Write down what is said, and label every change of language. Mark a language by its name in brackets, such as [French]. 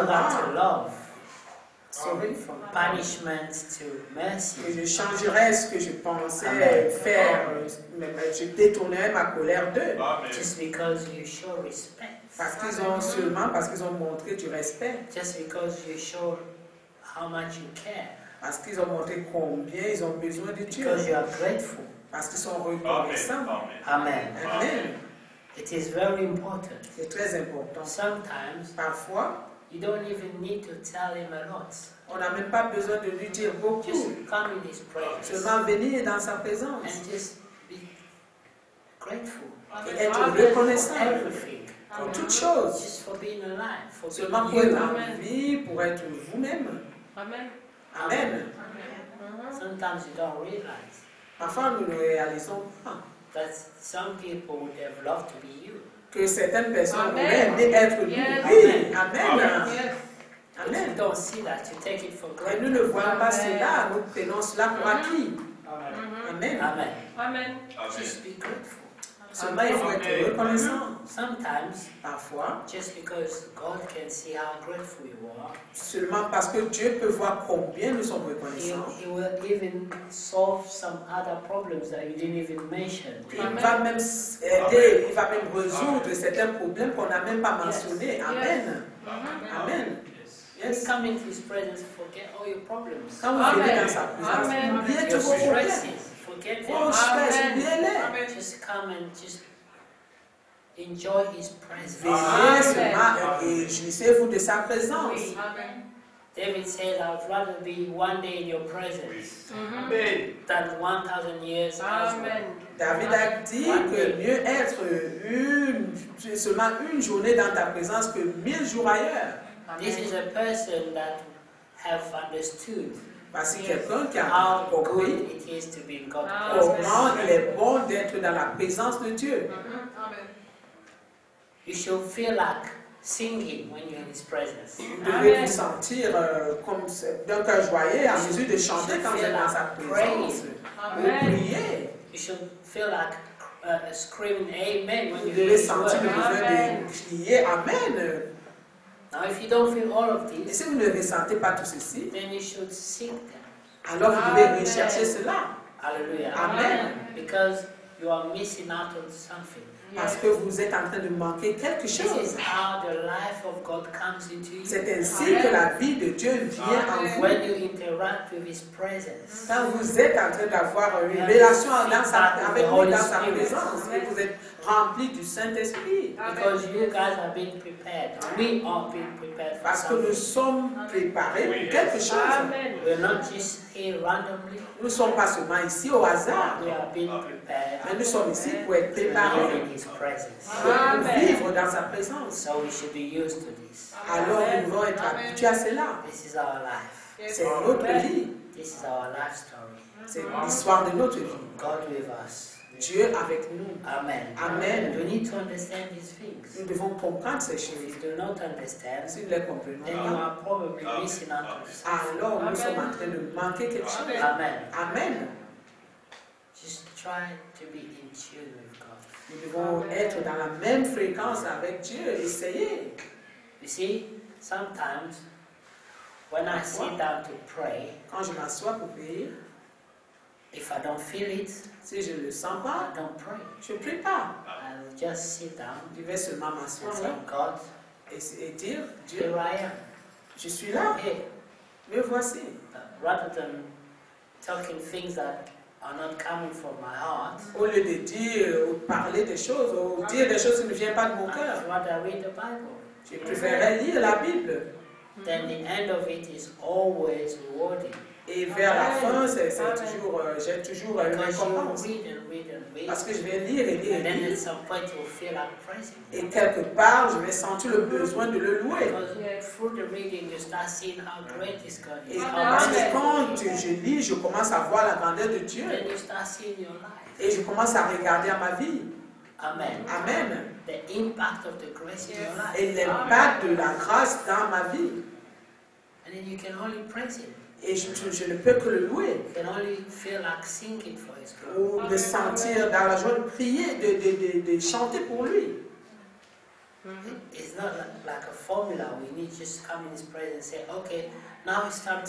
[English] anger to love. Sorry. From punishment to mercy. [French] Que je changerais ce que je pensais faire, mais je détournerais ma colère d'eux. [English] Just because you show respect. [French] Parce qu'ils ont seulement parce qu'ils ont montré du respect. [English] Just because you show how much you care. [French] Parce qu'ils ont montré combien ils ont besoin de Dieu. [English] Because you are grateful. [French] Parce qu'ils sont reconnaissants. Amen. Amen. [English] It is very important. [French] C'est très important. [English] Sometimes. [French] Parfois. [English] You don't even need to tell him a lot. [French] On n'a même pas besoin de lui dire beaucoup. [English] Just come in his presence. [French] Seulement venir dans sa présence. [English] And just be grateful. [French] Et être reconnaissant. [English] For everything. [French] Pour toutes choses. [English] Just for being alive. For [French] seulement [English] being [French] pour être en vie, pour être vous-même. Amen. Amen. Amen. [English] Sometimes you don't realize. That some people would have loved to be you. [French] Que certaines personnes voulaient être nous. [English] Yes. Amen. Amen. Amen. Yes. Amen. You don't see that. You take it for granted. [French] Et nous ne voyons pas cela. Nous prenons cela pour acquis. Amen. Amen. Amen. [English] Just be grateful. [French] Amen. Il faut être reconnaissant. [English] Sometimes, [French] parfois, [English] just because God can see how grateful you are, [French] seulement parce que Dieu peut voir combien nous sommes reconnaissants, [English] He will even solve some other problems that you didn't even mention. [French] Il va même aider, il va même résoudre certains problèmes qu'on n'a même pas mentionnés. [English] Yes. Amen. Yes. Amen. Yes. Come into His presence, forget all your problems. [French] Quand vous venez dans sa présence, oubliez tous vos problèmes. [English] Forget them. Oh, stress, [French] oubliez-les. [English] Just come and just enjoy His presence. [French] Réjouissez-vous de sa présence. Oui. Amen. [English] David said, I'd rather be one day in your presence than 1,000 years Amen. [French] David a dit que mieux être seulement une journée dans ta présence que 1,000 jours ailleurs. [English] This is a person that have understood how good it is to be in God's presence. [French] Comment il est bon d'être dans la présence de Dieu. [English] You should feel like singing when you're in His presence. [French] Vous devez vous sentir comme d'un cœur joyeux à mesure de chanter quand vous êtes dans sa présence. Vous priez. [English] You should feel like screaming Amen when you're in His presence. [French] Vous devez sentir le besoin de crier Amen. [English] Now, if you don't feel all of this, [French] et si vous ne ressentez pas tout ceci, [English] then you should seek them. [French] Alors vous devez rechercher cela. Alléluia. Amen. [English] Because you are missing out on something. Yes. [French] Parce que vous êtes en train de manquer quelque chose. [English] This is how the life of God comes into you. [French] C'est ainsi que la vie de Dieu vient en vous. [English] When you interact with His presence, [French] quand vous êtes en train d'avoir une relation avec lui dans sa présence, vous êtes rempli du Saint-Esprit. [English] Because you guys are being prepared. We are being prepared. [French] Parce que nous sommes préparés pour quelque chose. [English] We're not just here randomly. [French] Nous ne sommes pas seulement ici au hasard. [English] We are being prepared. [French] Mais nous sommes ici pour être préparés. [English] His presence. [French] Pour vivre dans sa présence. [English] So we should be used to this. [French] Amen. Alors nous devons être habitués à cela. [English] This is our life. [French] Yes. C'est notre vie. [English] This is our life story. [French] C'est l'histoire de notre vie. [English] God with us. [French] Dieu avec nous. Amen. Amen. [English] We need to understand these things. [French] Nous devons comprendre ces choses. [English] If you do not understand, [French] si nous les comprenons, [English] then you are probably missing out on something. [French] Alors nous sommes en train de manquer quelque chose. Amen. Amen. Amen. [English] Just try to be in tune with God. [French] Nous devons être dans la même fréquence avec Dieu. Essayez. [English] You see, sometimes when I sit down to pray, [French] quand je m'assois pour prier, [English] if I don't feel it, [French] si je ne le sens pas, [English] I don't pray. [French] Je ne prie pas. [English] I'll just sit down. [French] Je vais seulement m'asseoir. [English] Thank God. [French] Et dire, Dieu, [English] here I am. [French] Je suis là. [English] Hey. [French] Me voici. [English] Rather than talking things that are not coming from my heart. [French] Au lieu de dire ou parler des choses ou dire des choses qui ne viennent pas de mon cœur. [English] I'd rather read the Bible. [French] Je préférerais lire la Bible. [English] Then the end of it is always rewarding. [French] Et vers la fin, c'est toujours, j'ai toujours une récompense. [English] Read and read and read. [French] Parce que je vais lire et lire. [English] And then at some point you'll feel like praising. [French] Et quelque part, je vais sentir le besoin de le louer. Et en Parce que quand je lis, je commence à voir la grandeur de Dieu. [English] Then you start seeing your life. [French] Et je commence à regarder à ma vie. Amen. Amen. [English] The impact of the grace in your life. [French] Et l'impact de la grâce dans ma vie. [English] And then you can only praise Him. [French] Et je ne peux que le louer. [English] You can only feel like singing for His glory. [French] Ou me sentir dans la joie de prier, de chanter pour lui. [English] It's not like a formula. We need just come in His presence and say, okay, now it's time to